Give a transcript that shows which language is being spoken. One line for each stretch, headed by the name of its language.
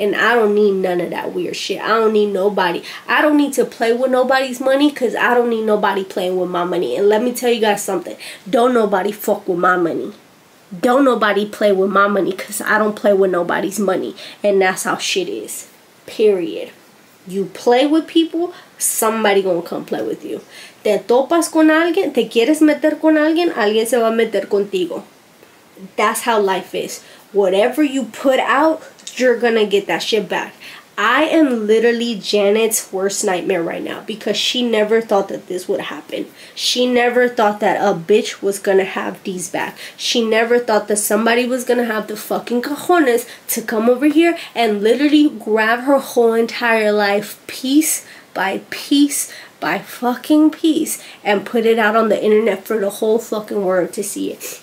English: And I don't need none of that weird shit. I don't need nobody. I don't need to play with nobody's money, because I don't need nobody playing with my money. And let me tell you guys something. Don't nobody fuck with my money. Don't nobody play with my money, because I don't play with nobody's money. And that's how shit is. Period. You play with people, somebody gonna come play with you.
Spanish: Te topas con alguien, te quieres meter con alguien, alguien se va a meter contigo.
English: That's how life is. Whatever you put out, you're gonna get that shit back. I am literally Janet's worst nightmare right now because she never thought that this would happen. She never thought that a bitch was gonna have D's back. She never thought that somebody was gonna have the fucking cojones to come over here and literally grab her whole entire life piece by piece by fucking piece and put it out on the internet for the whole fucking world to see it.